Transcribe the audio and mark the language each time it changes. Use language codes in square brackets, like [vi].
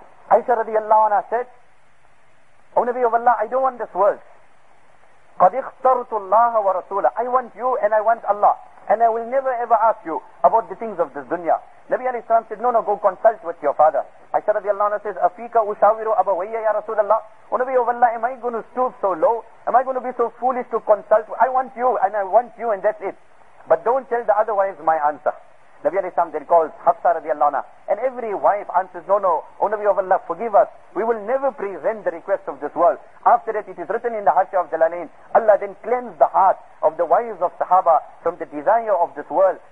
[en] Aisha radiallahu anha said, oh Nabi of Allah, I don't want this world. [ar] قَدْ اخْتَرْتُ اللَّهَ وَرَسُولَهُ. [en] I want you and I want Allah. And I will never ever ask you about the things of this dunya. Nabi alayhi salam said, no, go consult with your father. Aisha radiallahu anha says, [ar] أَفِيكَ أُشَاوِرُ أَبَوَيَّ يَا رَسُولَ اللَّهِ. [en] O Nabi of Allah, am I going to stoop so low? Am I going to be so foolish to consult? I want you and I want you and that's it. But don't tell the other wives my answer. Nabi alayhi salam then calls Hafsa radiallahu anha. And every wife answers, no, O Nabi of Allah, forgive us. We will never present the request of this world. After that, it is written in the Hashiya of Jalalain, Allah then cleansed the heart of the wives of Sahaba from the desire of this world.